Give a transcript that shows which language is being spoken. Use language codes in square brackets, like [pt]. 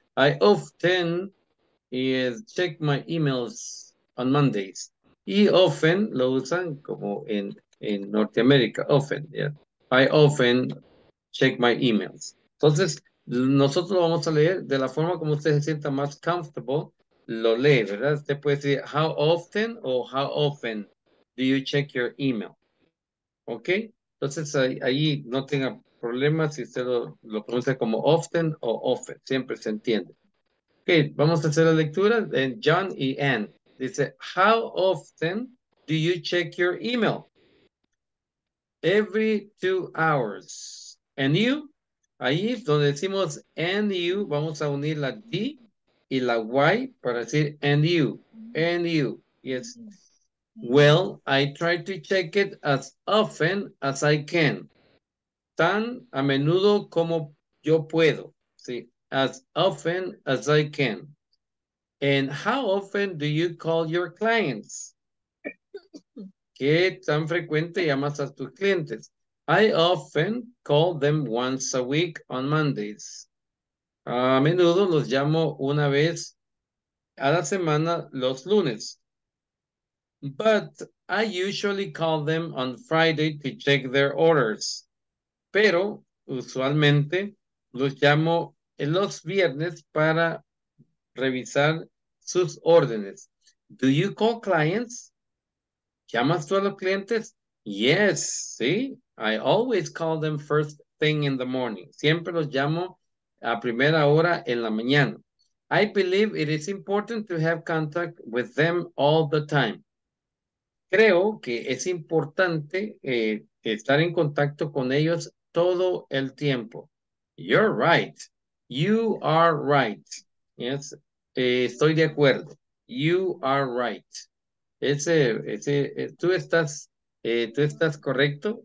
[en] I often... Y es check my emails on Mondays. [es] Y often lo usan como en Norteamérica. [en] Often, yeah. I often check my emails. [es] Entonces, nosotros lo vamos a leer de la forma como usted se sienta más comfortable. Lo lee, ¿verdad? [en] Usted puede decir, how often o how often do you check your email? [es] ¿Ok? Entonces, ahí, ahí no tenga problemas si usted lo pronuncia como often o often. Siempre se entiende. Okay, vamos a hacer la lectura de John y Ann. [en] Dice, how often do you check your email? [es] Every 2 hours. And you? Ahí donde decimos and you, vamos a unir la D y la Y para decir and you. And you. Yes. [en] Well, I try to check it as often as I can. [es] Tan a menudo como yo puedo. Sí. [en] As often as I can. And how often do you call your clients? ¿Qué tan frecuente llamas a tus clientes? I often call them once a week on Mondays. [es] A menudo los llamo una vez a la semana los lunes. [en] But I usually call them on Friday to check their orders. [es] Pero usualmente los llamo en los viernes para revisar sus órdenes. [en] Do you call clients? ¿Llamas tú a los clientes? Yes, sí. I always call them first thing in the morning. [es] Siempre los llamo a primera hora en la mañana. [en] I believe it is important to have contact with them all the time. [es] Creo que es importante estar en contacto con ellos todo el tiempo. [en] You're right. You are right. Yes, estoy de acuerdo. [es] You are right. Ese, ese, tú estás correcto.